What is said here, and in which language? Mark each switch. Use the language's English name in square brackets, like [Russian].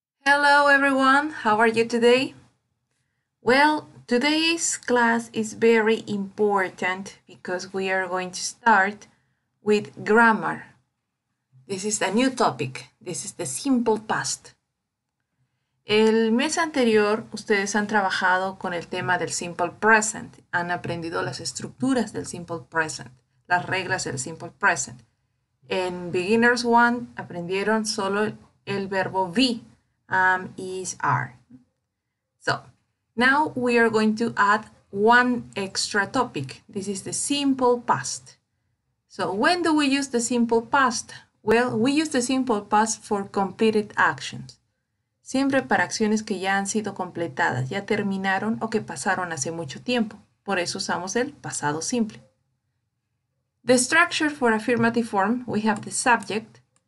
[English] Hello everyone, how are you today? Well, today's class is very important because we are going to start with grammar. This is a new topic. This is the simple past. [Spanish] El mes anterior, ustedes han trabajado con el tema del simple present. Han aprendido las estructuras del simple present, las reglas del simple present. En Beginners 1, aprendieron solo el verbo be. Is, are. [English] So, now we are going to add one extra topic. This is the simple past. So, when do we use the simple past? Well, we use the simple past for completed actions. [Spanish] Siempre para acciones que ya han sido completadas, ya terminaron o que pasaron hace mucho tiempo. Por eso usamos el pasado simple. [English] The structure for affirmative form, we have the subject.